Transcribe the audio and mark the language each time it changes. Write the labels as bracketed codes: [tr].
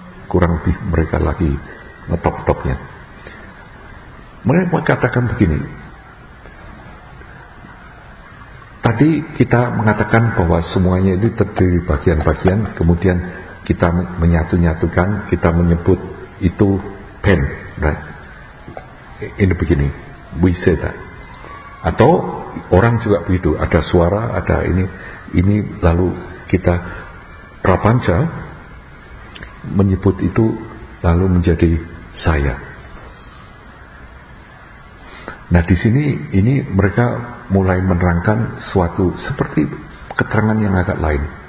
[id] Kurang lebih mereka lagi ngetop-topnya. Mereka katakan begini. Tadi kita mengatakan bahwa semuanya itu terdiri bagian-bagian, kemudian kita menyatu-nyatukan, kita menyebut itu pen, [en] right? In the beginning, we say that. [id] Atau orang juga begitu, ada suara, ada ini lalu kita prapanca menyebut itu lalu menjadi saya. Nah di sini ini mereka mulai menerangkan suatu seperti keterangan yang agak lain.